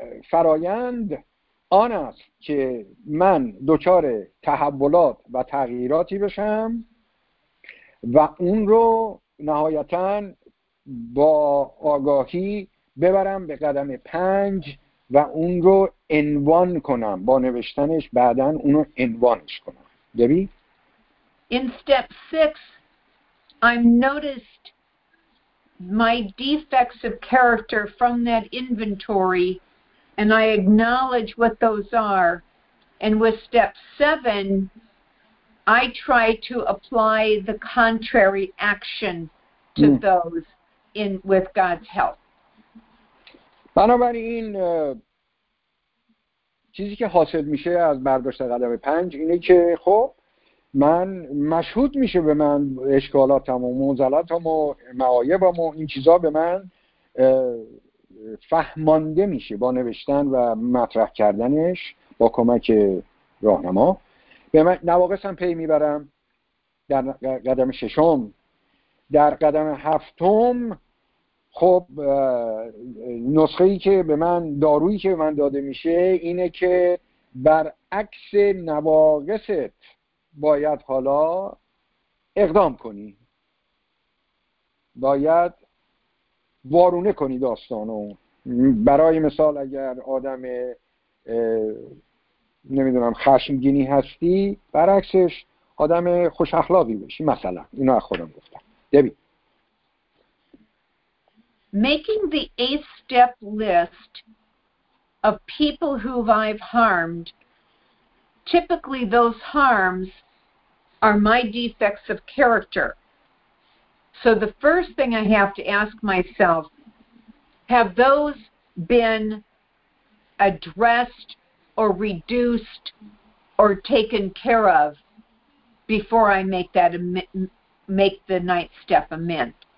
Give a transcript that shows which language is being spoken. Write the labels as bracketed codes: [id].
[fa] فرایند آن است که من دچار تحولات و تغییراتی بشم و اون رو نهایتا با آگاهی ببرم به قدم پنج و اون رو عنوان کنم، با نوشتنش بعدا اون رو عنوانش کنم. دبی؟ [en] In step six, I noticed my defects of character from that inventory, and I acknowledge what those are. And with step seven, I try to apply the contrary action to those in with God's help. [fa] بنابراین چیزی که حاصل میشه از برداشت قدم پنج اینه که خب من مشهود میشه به من اشکالاتم و معضلاتم و معایبم و این چیزا به من فهمانده میشه با نوشتن و مطرح کردنش با کمک راهنما. به من نواقصم پی میبرم در قدم ششم. در قدم هفتم خب نسخه ای که به من، دارویی که به من داده میشه اینه که برعکس نواقصت باید حالا اقدام کنی، باید وارونه کنی داستانو. برای مثال اگر آدم نمیدونم خشمگینی هستی، برعکسش آدم خوش اخلاقی بشی. مثلا اینو از خودم گفتم. دبی، [en] Making the eighth step list of people who I've harmed, typically those harms are my defects of character. So the first thing I have to ask myself, have those been addressed or reduced or taken care of before I make the ninth step amend?